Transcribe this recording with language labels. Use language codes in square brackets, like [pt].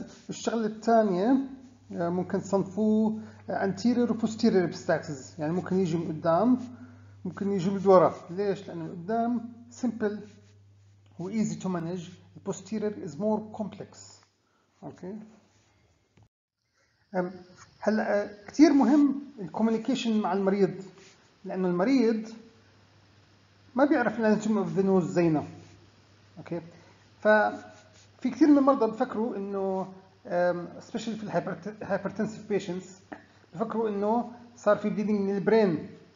[ar] الشغله الثانيه ممكن تصنفوه anterior و posterior epistaxis، يعني ممكن يجي من قدام ممكن يجي من ورا. ليش؟ لأنه قدام [en] simple و easy to manage، the posterior is more complex. okay. [ar] هلا كتير مهم الكوميونيكيشن مع المريض، لأنه المريض ما بيعرف anatomy of the nose زينا. [en] okay. [ar] ففي كتير من المرضى بفكروا إنه especially في hypertensive patients بفكروا انه صار في bleeding من البرين.